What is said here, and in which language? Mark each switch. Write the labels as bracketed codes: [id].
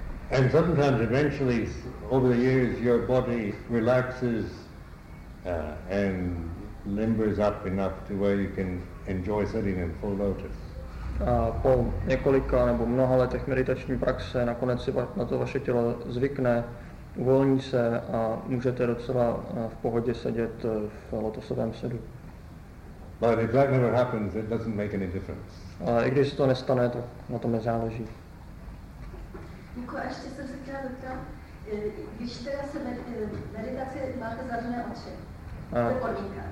[en] And sometimes eventually over the years your body relaxes and limbers up enough to where you can enjoy sitting in full lotus. [cs] Po několika nebo mnoha letech meditační praxe nakonec si na to vaše tělo zvykne. Uvolní se a můžete docela v pohodě sedět v lotosovém sedu. [en] But if that never happens, it doesn't make any difference. [cs] Ale i když se to nestane, tak na tom nezáleží. Jako ještě jsem se chtěla zeptat, když teda se meditace máte zavřené oči, to podmínka.